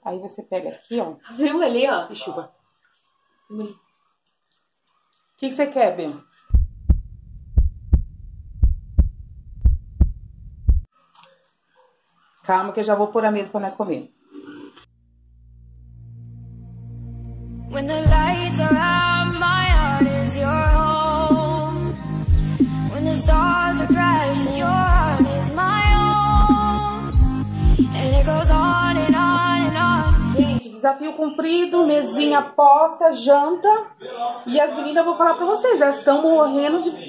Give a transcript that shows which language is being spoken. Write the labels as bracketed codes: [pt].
[pt] Aí você pega aqui, ó. Viu ali, ó? E chupa. O que, que você quer, Bento? Calma que eu já vou pôr a mesa pra nós comer. [en] When the lights around my heart is your home. When the stars are crashing, your heart is my home. And it goes on and on and on. [pt] Gente, desafio cumprido, mesinha posta, janta. E as meninas, eu vou falar pra vocês, elas estão morrendo de.